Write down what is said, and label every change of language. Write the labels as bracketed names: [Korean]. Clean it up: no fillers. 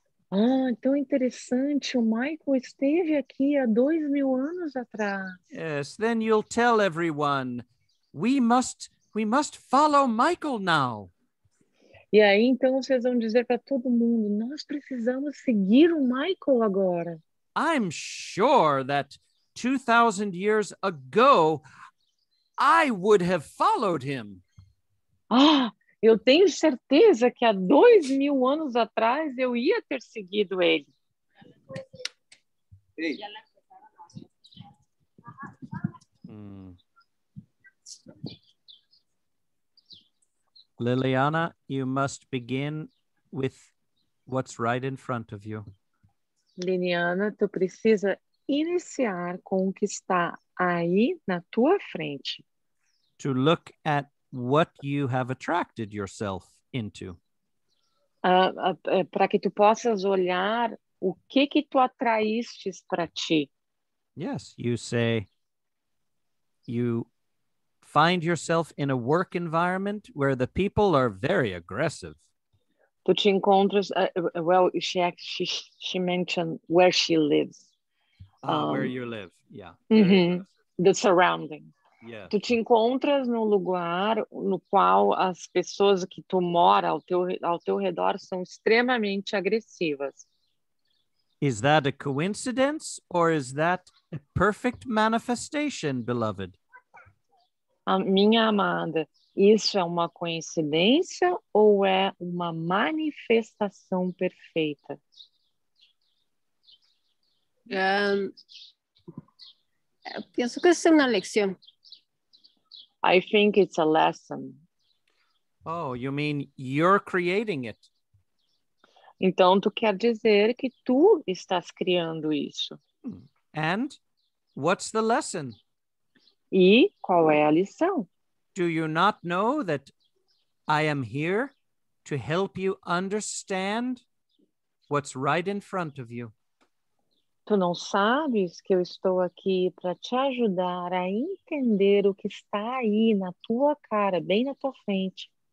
[Portuguese] Ah, tão interessante. O Michael esteve aqui há 2,000 anos atrás. [English] Yes, then you'll tell everyone. We must follow Michael now. [Portuguese] E aí, então, vocês vão dizer para todo mundo, nós precisamos seguir o Michael agora. [English] I'm sure that 2,000 years ago, I would have followed him. [Portuguese] Ah, eu tenho certeza que há 2,000 anos atrás, eu ia ter seguido ele. [English] Hey. Liliana, you must begin with what's right in front of you. [Portuguese] Liliana, tu precisa iniciar com o que está aí na tua frente. [English] To look at what you have attracted yourself into. [Portuguese] Para que tu possas olhar o que tu atraístes para ti. [English] Yes, you say, you... Find yourself in a work environment where the people are very aggressive. [Portuguese] Tu te encontras, [English] well, she mentioned where she lives. Where you live, yeah. Mm-hmm. The surrounding. Yeah. [Portuguese] Tu te encontras no lugar no qual as pessoas que tu mora ao teu redor são extremamente agressivas. [English] Is that a coincidence or is that a perfect manifestation, beloved? [Portuguese] Minha amada, isso é uma coincidência ou é uma manifestação perfeita? Penso que é uma lição. [English] I think it's a lesson. Oh, you mean you're creating it? [Portuguese] Então, tu quer dizer que tu estás criando isso. [English] And what's the lesson? [Portuguese] E qual é a lição? [English] Do you not know that I am here to help you understand what's right in front of you? [Portuguese] Tu não sabes que eu estou aqui para te ajudar a entender o que está aí na tua cara, bem na tua frente.